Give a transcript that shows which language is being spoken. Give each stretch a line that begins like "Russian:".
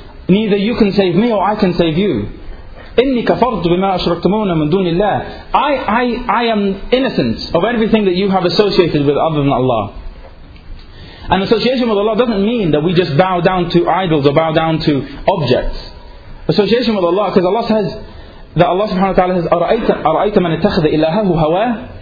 English: Neither you can save me, or I can save you.
Arabic: إني كفرت بما أشركتمون من دون الله.
English: I am innocent of everything that you have associated with other than Allah. And association with Allah doesn't mean that we just bow down to idols or bow down to objects. Association with Allah, because Allah says that Allah subhanahu wa ta'ala says,
Arabic: أَرَأَيْتَ مَنِ اتَّخَذَ إِلَّهَهُ هَوَاهُ.